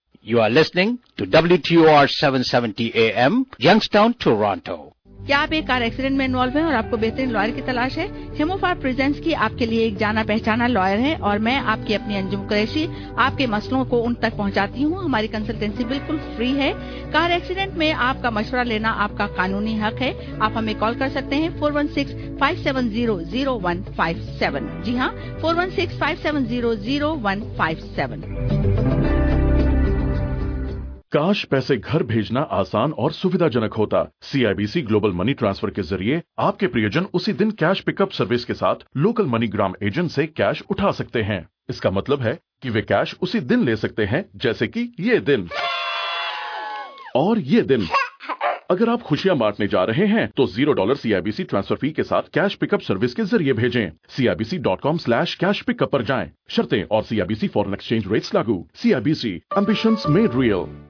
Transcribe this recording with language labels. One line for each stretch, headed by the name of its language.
English: You are listening to WTOR 770 AM, Youngstown, Toronto.
Hindi: क्या आप एक कार एक्सीडेंट में इन्वॉल्व हैं और आपको बेहतरीन लॉयर की तलाश है? हेमोफार प्रेजेंस की आपके लिए एक जाना पहचाना लॉयर है और मैं आपकी अपनी अंजुम कुरैशी आपके मसलों को उन तक पहुंचाती हूं। हमारी कंसल्टेंसी बिल्कुल फ्री है। कार एक्सीडेंट में आपका मशवरा लेना आपका कानूनी हक है। आप हमें कॉल कर सकते हैं 416-570-0157। जी हाँ, 416-570-0157। काश पैसे घर भेजना आसान और सुविधाजनक होता। सीआईबीसी ग्लोबल मनी ट्रांसफर के जरिए आपके प्रियजन उसी दिन कैश पिकअप सर्विस के साथ लोकल मनीग्राम एजेंट से कैश उठा सकते हैं। इसका मतलब है कि वे कैश उसी दिन ले सकते हैं जैसे कि ये दिन और ये दिन। अगर आप खुशियां बांटने जा रहे हैं तो $0 CIBC ट्रांसफर फी के साथ कैश पिकअप सर्विस के जरिए भेजें। CIBC.com/cashpickup पर जाएं। शर्तें और CIBC फॉरेन एक्सचेंज रेट्स लागू।
English: CIBC, ambitions made real.